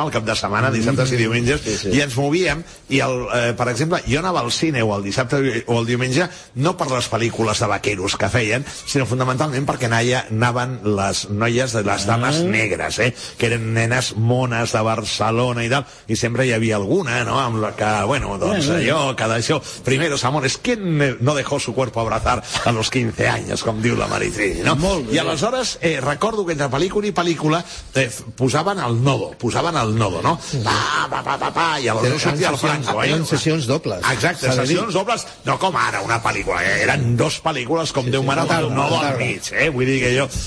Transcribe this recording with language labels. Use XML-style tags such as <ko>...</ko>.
<ca>El cap de setmana, dissabtes i diumenges, i ens movíem, i per exemple, jo anava al cine o el dissabte o el diumenge no per les pel·lícules de vaqueros que feien, sinó fundamentalment perquè anaven les noies de les dames negres, que eren nenes mones de Barcelona i tal, i sempre hi havia alguna, no? Amb la que, bueno, doncs allò, cada això,</ca> <es>primeros amores, ¿quién no dejó su cuerpo abrazar a los 15 años,</es> <ca>com diu la Maritrini, no? I aleshores, recordo que entre pel·lícula i pel·lícula posaven el nodo, no? Pa, i aleshores sortia el Franco. Eren sessions dobles. Exacte, sessions dobles, no com ara una pel·lícula, eren dos pel·lícules com Déu mare, el nodo al mig, vull dir que jo...</ca>